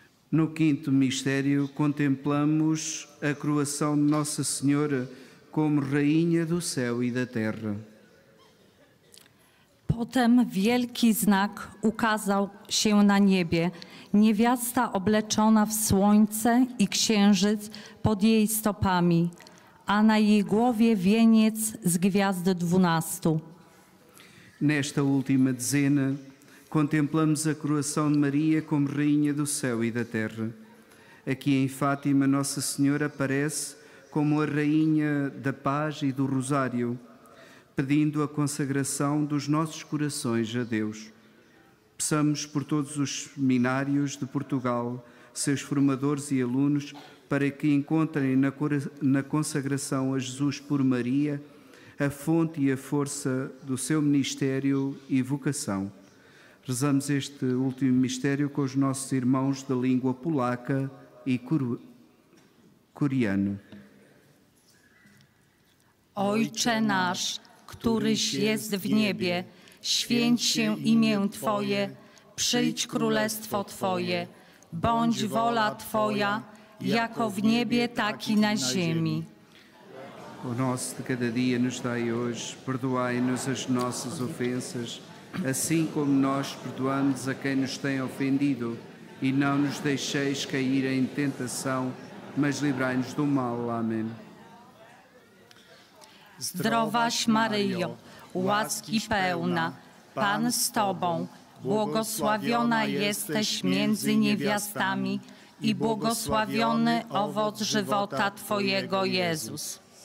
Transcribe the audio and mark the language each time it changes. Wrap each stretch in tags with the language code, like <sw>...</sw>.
<pt>No quinto mistério, contemplamos a coroação de Nossa Senhora como Rainha do Céu e da Terra.</pt> <pl>Potem wielki znak ukazał się na niebie. Niewiasta obleczona w słońce i księżyc pod jej stopami, a na jej głowie wieniec z gwiazd dwunastu.</pl> <pt>Nesta última dezena, contemplamos a coroação de Maria como Rainha do Céu e da Terra. Aqui em Fátima, Nossa Senhora aparece como a Rainha da Paz e do Rosário, pedindo a consagração dos nossos corações a Deus. Peçamos por todos os seminários de Portugal, seus formadores e alunos, para que encontrem na consagração a Jesus por Maria a fonte e a força do seu ministério e vocação. Rezamos este último mistério com os nossos irmãos da língua polaca e coreano.</pt> <pl>Ojcze nasz, któryś jest w niebie, święć się imię Twoje, przyjdź królestwo Twoje, bądź wola Twoja, jako w niebie, tak i na ziemi.</pl> <pt>O nosso de cada dia nos dai hoje, perdoai-nos as nossas ofensas, assim como nós perdoamos a quem nos tem ofendido, e não nos deixeis cair em tentação, mas livrai-nos do mal. Amém.</pt> <pl>Zdrowaś Maryjo, łaski pełna, Pan z Tobą, błogosławiona jesteś między niewiastami i błogosławiony owoc żywota Twojego, Jezus.</pl>